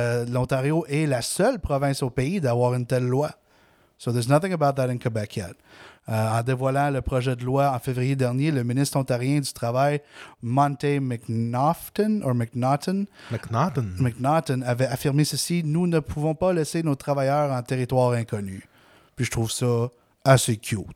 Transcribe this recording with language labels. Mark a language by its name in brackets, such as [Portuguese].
[French] L'Ontario est la seule province au pays d'avoir une telle loi. [English] So there's nothing about that in Quebec yet. [French] En dévoilant le projet de loi en février dernier, le ministre ontarien du Travail, Monte McNaughton, avait affirmé ceci, « Nous ne pouvons pas laisser nos travailleurs en territoire inconnu. » puis je trouve ça assez cute.